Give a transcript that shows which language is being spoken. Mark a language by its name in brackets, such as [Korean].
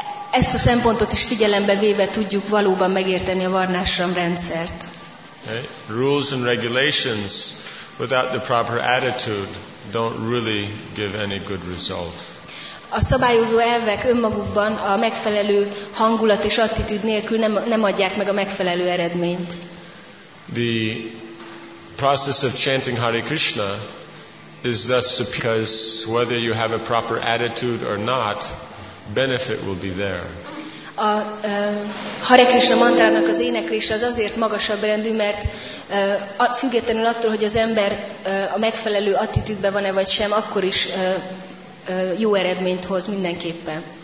[Hungarian] Ezt a szempontot is figyelembe véve tudjuk valóban megérteni a Varnashram rendszert. [English] Okay. Rules and regulations without the proper attitude don't really give any good result. [Hungarian] A szabályozó elvek önmagukban a megfelelő hangulat és attitűd nélkül nem adják meg a megfelelő eredményt. [English] The process of chanting Hare Krishna is thus because whether you have a proper attitude or not, benefit will be there. [Hungarian] A Hare Krishna mantrának az éneklése az azért magasabb rendű, mert függetlenül attól, hogy az ember a megfelelő attitűdben van-e vagy sem, akkor is jó eredményt hoz mindenképpen.